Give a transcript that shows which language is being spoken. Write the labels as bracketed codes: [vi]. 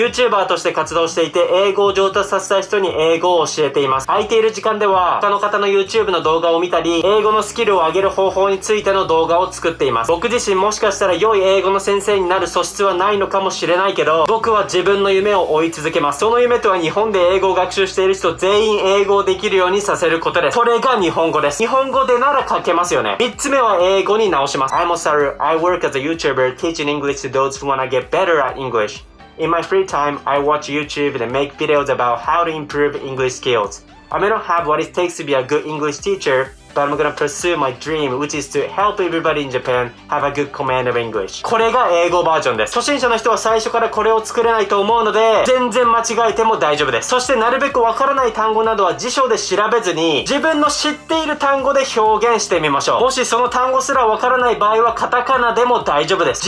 [ja] YouTuber として活動していて、英語を上達させたい人に英語を教えています。空いている時間では他の方の YouTube の動画を見たり、英語のスキルを上げる方法についての動画を作っています。僕自身もしかしたら良い英語の先生になる素質はないのかもしれないけど、僕は自分の夢を追い続けます。その夢とは、日本で英語を学習している人全員英語をできるようにさせることです。それが日本語です。日本語でなら書けますよね。 3つ目は英語に直します。 [en] I'm Osaru. I work as a YouTuber teaching English to those who wanna get better at English. In my free time, I watch YouTube and make videos about how to improve English skills. I may not have what it takes to be a good English teacher, but I'm gonna pursue my dream, which is to help everybody in Japan have a good command of English. [ja] これが英語バージョンです。初心者の人は最初からこれを作れないと思うので、全然間違えても大丈夫です。そしてなるべくわからない単語などは辞書で調べずに、自分の知っている単語で表現してみましょう。もしその単語すらわからない場合はカタカナでも大丈夫です。